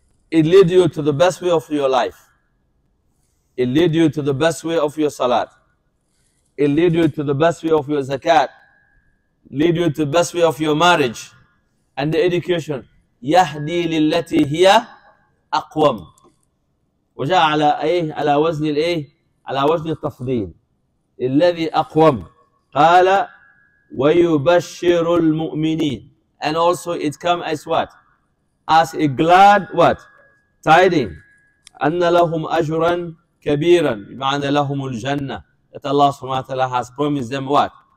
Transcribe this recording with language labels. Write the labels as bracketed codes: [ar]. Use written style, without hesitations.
[en] It lead you to the best way of your life. It lead you to the best way of your salat. It lead you to the best way of your zakat. Lead you to the best way of your marriage and the education. [ar] يهدي للتي هي أقوم. وجاء على أيه على وزن الأيه على وزن التفضيل الذي أقوم. قال وَيُبَشِّرُ الْمُؤْمِنِينَ. [en] And also it comes as what? As a glad what? Tiding. [ar] أَنَّ لَهُمْ أَجْرًا كَبِيرًا بمعنى لَهُمُ الْجَنَّةِ. [en] That Allah subhanahu wa ta'ala has promised them what?